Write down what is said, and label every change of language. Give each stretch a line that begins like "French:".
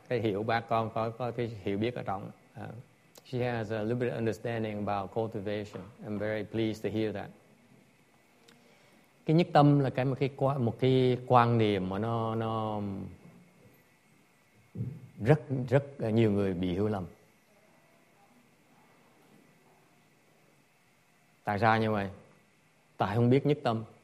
Vietnamese: Cái hiểu bác con có cái hiểu biết ở trong.
English: She has a little bit of understanding about cultivation. I'm very pleased to hear that.
Vietnamese: Cái nhất tâm là một cái quan niệm mà nó rất rất nhiều người bị hiểu lầm. Tại sao như vậy? Tại không biết nhất tâm.